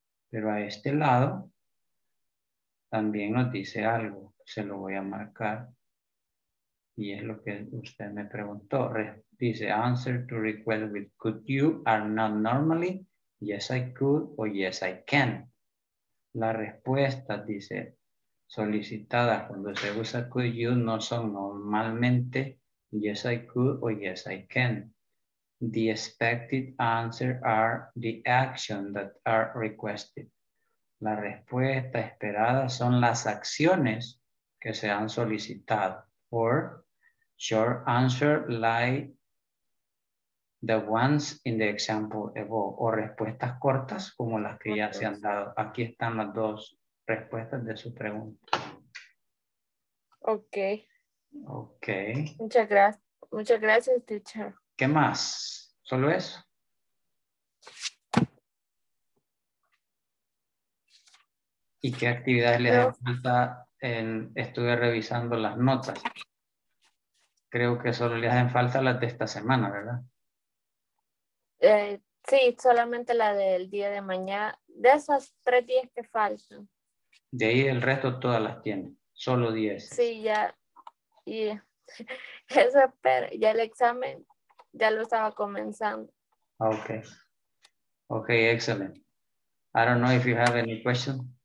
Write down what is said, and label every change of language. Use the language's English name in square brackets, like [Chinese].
[Spanish] Pero a este lado también nos dice algo. Se lo voy a marcar. Y es lo que usted me preguntó. [English] Dice answer to request with could you are not normally yes I could or yes I can. [Spanish] La respuesta dice solicitadas cuando se usa [English] could you [Spanish] no son normalmente [English] yes I could [Spanish] o [English] yes I can. The expected answer are the action that are requested. [Spanish] La respuesta esperada son las acciones que se han solicitado. [English] Or short answer like the ones in the example above. [Spanish] O respuestas cortas como las que ya se han dado. Aquí están las dos respuestas de su pregunta. [English] Ok. Ok. [Spanish] Muchas gracias. Muchas gracias, teacher. ¿Qué más? ¿Solo eso? ¿Y qué actividades le dan falta? Estuve revisando las notas. Creo que solo le hacen falta las de esta semana, ¿verdad? Sí, solamente la del día de mañana. De esos 3 días que faltan. De ahí el resto todas las tiene, solo 10. Sí, ya. Yeah. Eso, pero ya el examen ya lo estaba comenzando. [English] Ok. Ok, excelente. I don't know if you have any questions.